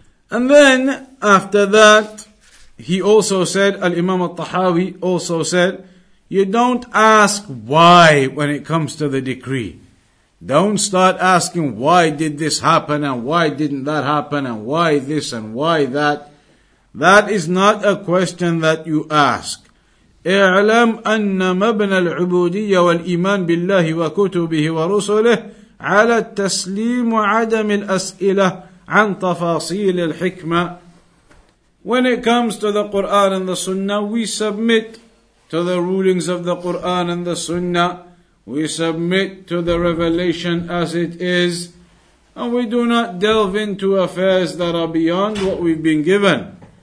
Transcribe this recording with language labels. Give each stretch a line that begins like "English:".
English: And then, after that, he also said, Al-Imam al-Tahawi also said, you don't ask why when it comes to the decree. Don't start asking why did this happen and why didn't that happen and why this and why that. That is not a question that you ask.
Arabic: اعلم أن مبنى العبودية والإيمان بالله وكتبه ورسله على التسليم وعدم الأسئلة عن تفاصيل الحكمة.
English: When it comes to the Quran and the Sunnah, we submit to the rulings of the Quran and the Sunnah. We submit to the revelation as it is, and we do not delve into affairs that are beyond what we've been given.